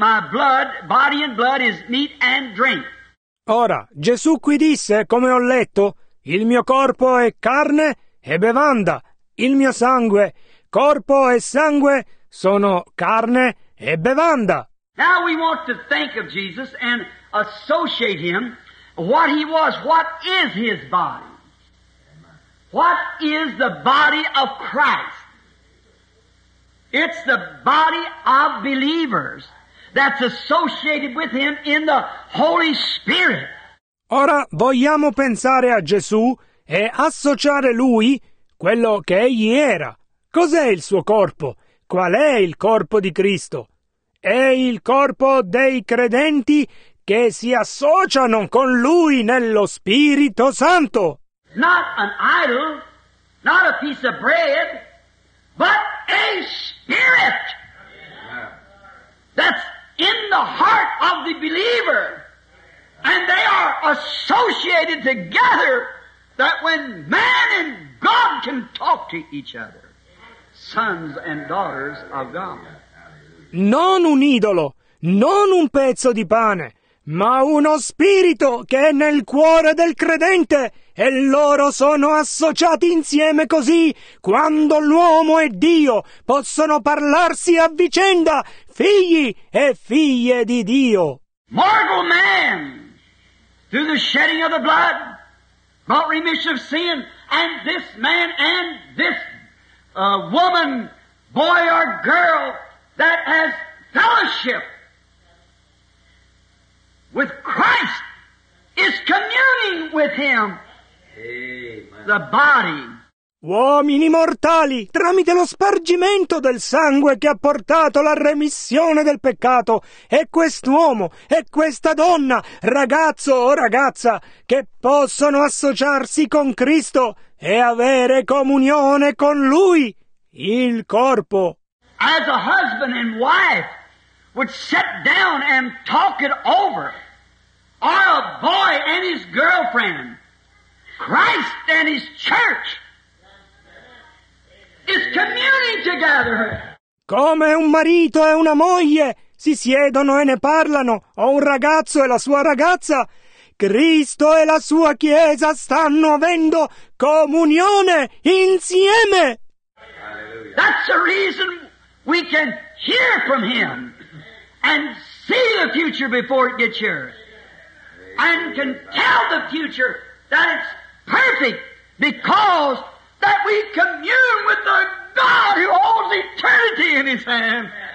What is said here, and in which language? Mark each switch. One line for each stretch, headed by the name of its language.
English: My blood, body and blood is meat and drink.
Italian: Ora, Gesù qui disse, come ho letto, il mio corpo è carne e bevanda, il mio sangue, corpo e sangue sono carne e bevanda.
English: Now we want to think of Jesus and associate him what he was. What is his body? What is the body of Christ? It's the body of believers that's associated with him in the Holy Spirit.
Italian: Ora vogliamo pensare a Gesù e associare lui quello che egli era. Cos'è il suo corpo? Qual è il corpo di Cristo? È il corpo dei credenti che si associano con lui nello Spirito Santo.
English: Not an idol, not a piece of bread, but a spirit that's in the heart of the believer. And they are associated together that when man and God can talk to each other, sons and daughters of God.
Italian: Non un idolo, non un pezzo di pane, ma uno spirito che è nel cuore del credente e loro sono associati insieme così quando l'uomo e Dio possono parlarsi a vicenda, figli e figlie di Dio.
English: Mortal man, through the shedding of the blood, brought remission of sin, and this man and this woman, boy or girl, that has fellowship with Christ, is communing with him. Amen. The body.
Italian: Uomini mortali, tramite lo spargimento del sangue che ha portato la remissione del peccato, è quest'uomo e questa donna, ragazzo o ragazza, che possono associarsi con Cristo e avere comunione con Lui, il corpo.
English: As a husband and wife would sit down and talk it over, or a boy and his girlfriend, Christ and his church. It's communing together.
Italian: Come un marito e una moglie si siedono e ne parlano, o un ragazzo e la sua ragazza, Cristo e la sua Chiesa stanno avendo comunione insieme.
English: That's the reason we can hear from him and see the future before it gets here, and can tell the future that it's perfect because that we commune with the God who holds eternity in his hand.